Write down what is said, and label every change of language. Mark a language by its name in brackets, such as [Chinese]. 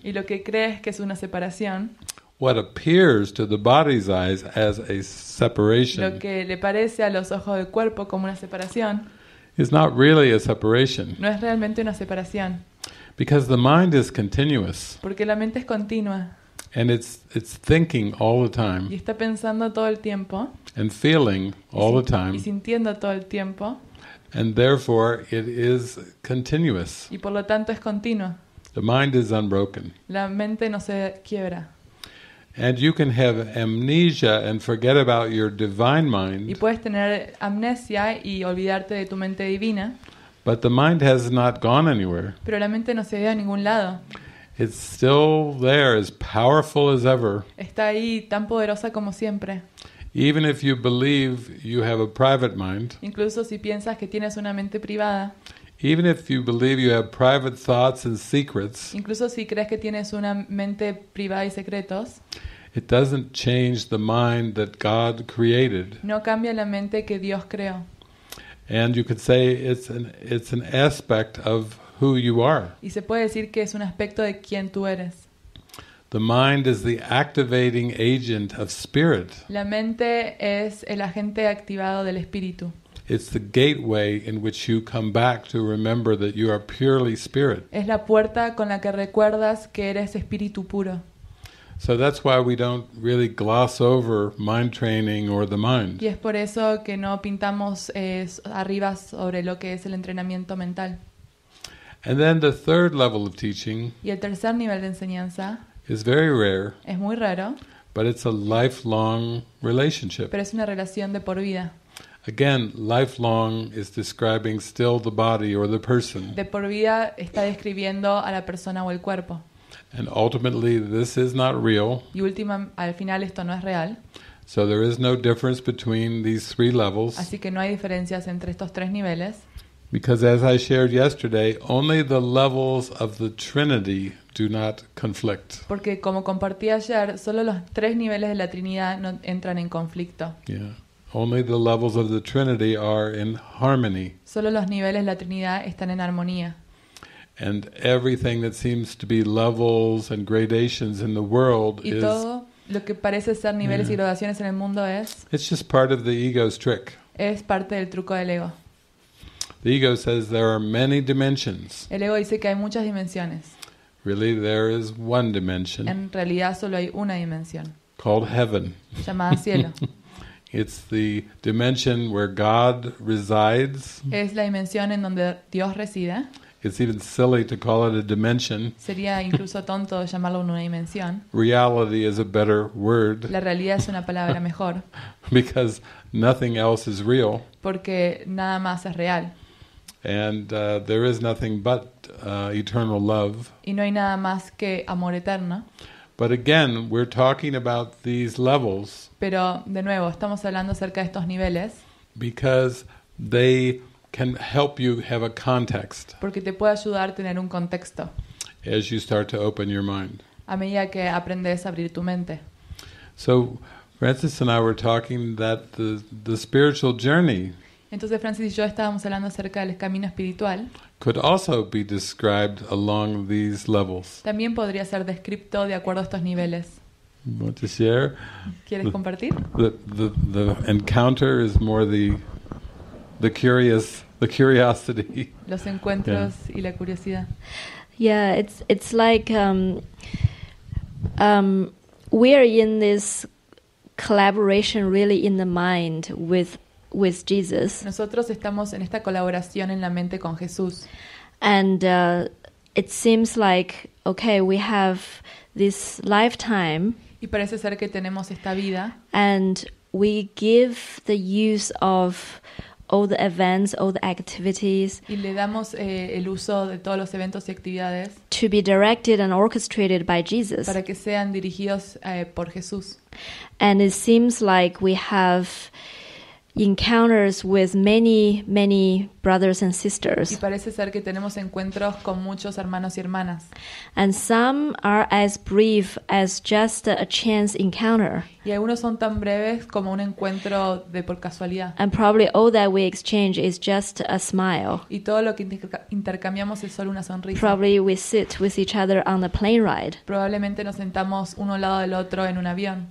[Spanish] Y lo que crees que es una separación. [English] What appears to the body's eyes as a separation. [Spanish] Lo que le parece a los ojos del cuerpo como una separación. [English] Is not really a separation. [Spanish] No es realmente una separación. [English] Because the mind is continuous. [Spanish] Porque la mente es continua. [English] And it's thinking all the time. [Spanish] Y está pensando todo el tiempo. [English] And feeling all the time. [Spanish] Y sintiendo todo el tiempo. [English] And therefore it is continuous. [Spanish] Y por lo tanto es continuo. [English] The mind is unbroken. [Spanish] La mente no se quiebra. [English] And you can have amnesia and forget about your divine mind. [Spanish] Y puedes tener amnesia y olvidarte de tu mente divina. [English] But the mind has not gone anywhere. [Spanish] Pero la mente no se ha ido a ningún lado. [English] It's still there, as powerful as ever. [Spanish] Está ahí tan poderosa como siempre. [English] Even if you believe you have a private mind. [Spanish] Incluso si piensas que tienes una mente privada. [English] Even if you believe you have private thoughts and secrets. [Spanish] Incluso si crees que tienes una mente privada y secretos. [English] It doesn't change the mind that God created. [Spanish] No cambia la mente que Dios creó. [English] And you could say it's an aspect of who you are. [Spanish] Y se puede decir que es un aspecto de quién tú eres. [English] The mind is the activating agent of spirit. [Spanish] La mente es el agente activado del espíritu. [English] It's the gateway in which you come back to remember that you are purely spirit. [Spanish] Es la puerta con la que recuerdas que eres espíritu puro. [English] So that's why we don't really gloss over mind training or the mind. [Spanish] Y es por eso que no pintamos arriba sobre lo que es el entrenamiento mental. [English] And then the third level of teaching. [Spanish] Y el tercer nivel de enseñanza. [English] Is very rare. [Spanish] Es muy raro. [English] But it's a lifelong relationship. [Spanish] Pero es una relación de por vida. [English] Again, lifelong is describing still the body or the person. [Spanish] De por vida está describiendo a la persona o el cuerpo. [English] And ultimately, this is not real. [Spanish] Y última, al final esto no es real. [English] So there is no difference between these three levels. [Spanish] Así que no hay diferencias entre estos tres niveles. [English] Because as I shared yesterday, only the levels of the Trinity do not conflict. [Spanish] Porque como compartí ayer, solo los tres niveles de la Trinidad no entran en conflicto. [English] Yeah. Only the levels of the Trinity are in harmony. [Spanish] Solo los niveles de la Trinidad están en armonía. [English] And everything that seems to be levels and gradations in the world is. [Spanish] Y todo lo que parece ser niveles y gradaciones en el mundo es. [English] It's just part of the ego's trick. [Spanish] Es parte del truco del ego. [English] The ego says there are many dimensions. [Spanish] El ego dice que hay muchas dimensiones. [English] Really, there is one dimension. [Spanish] En realidad solo hay una dimensión. [English] Called heaven. [Spanish] Llamada cielo. [English] It's the dimension where God resides. [Spanish] Es la dimensión en donde Dios reside. [English] It's even silly to call it a dimension. [Spanish] Sería incluso tonto llamarlo una dimensión. [English] Reality is a better word. [Spanish] La realidad es una palabra mejor. [English] Because nothing else is real. [Spanish] Porque nada más es real. [English] And there is nothing but eternal love. [Spanish] Y no hay nada más que amor eterno. [English] But again, we're talking about these levels. [Spanish] Pero de nuevo, estamos hablando acerca de estos niveles. [English] Because they can help you have a context. [Spanish] Porque te puede ayudar a tener un contexto. [English] As you start to open your mind. [Spanish] A medida que aprendes a abrir tu mente. [English] So Francis and I were talking that the spiritual journey. [Spanish] Entonces Francis y yo estábamos hablando acerca del camino espiritual. [English] Could also be described along these levels. [Spanish] También podría ser descrito de acuerdo a estos niveles. [English] Want to share? [Spanish] ¿Quieres compartir? [English] The encounter is more the curiosity. [Spanish] Los encuentros y la curiosidad. [English] Yeah, it's like we are in this collaboration really in the mind with Jesus. [Spanish] Nosotros estamos en esta colaboración en la mente con Jesús. [English] And it seems like okay, we have this lifetime. [Spanish] Y parece ser que tenemos esta vida. [English] And we give the use of all the events, all the activities. [Spanish] Y le damos el uso de todos los eventos y actividades. [English] To be directed and orchestrated by Jesus. [Spanish] Para que sean dirigidos por Jesús. [English] And it seems like we have encounters with many, many brothers and sisters. [Spanish] Y parece ser que tenemos encuentros con muchos hermanos y hermanas. [English] And some are as brief as just a chance encounter. [Spanish] Y algunos son tan breves como un encuentro de por casualidad. [English] And probably all that we exchange is just a smile. [Spanish] Y todo lo que intercambiamos es solo una sonrisa. [English] Probably we sit with each other on a plane ride. [Spanish] Probablemente nos sentamos uno al lado del otro en un avión.